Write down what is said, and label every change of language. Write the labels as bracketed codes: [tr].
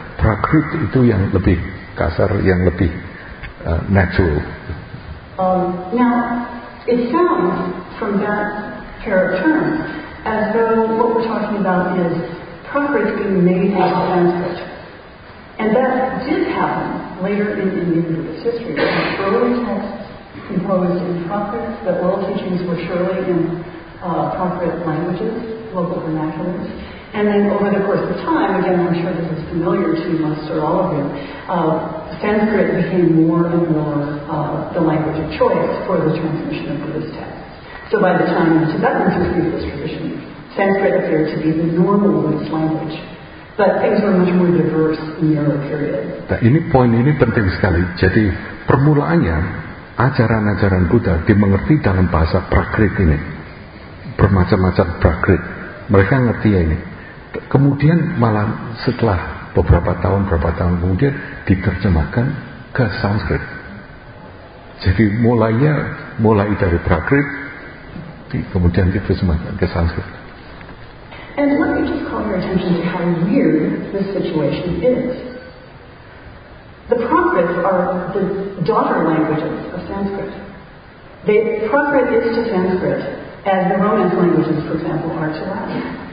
[id] Prakrit itu yang lebih kasar, yang lebih natural. [en] Now it sounds from that pair of terms as though what we're talking about is Prakrit being made out of Sanskrit, and that did happen later in Indian Buddhist history. Early texts composed in Prakrit, the oral teachings were surely in Prakrit languages, local vernaculars. And then over the course of time, again, I'm sure this is familiar to most or all of you, Sanskrit became more and more the language of choice for the transmission of Buddhist texts. So by the time the Tibetans received this tradition, Sanskrit appeared to be the normal Buddhist language. But things were much more diverse in the early period. [id] Nah, ini poin ini penting sekali. Jadi permulaannya, ajaran-ajaran Buddha dimengerti dalam bahasa Prakrit ini. Bermacam-macam Prakrit. Mereka ngerti ya ini. Kemudian malah setelah beberapa tahun kemudian diterjemahkan ke Sanskrit. Jadi mulainya mulai dari Prakrit, kemudian diterjemahkan ke Sanskrit. [en] And let me just call your attention to how weird this situation is. The Prakrits are the daughter languages of Sanskrit. Prakrit is to Sanskrit as the Romance languages, for example, are to Latin.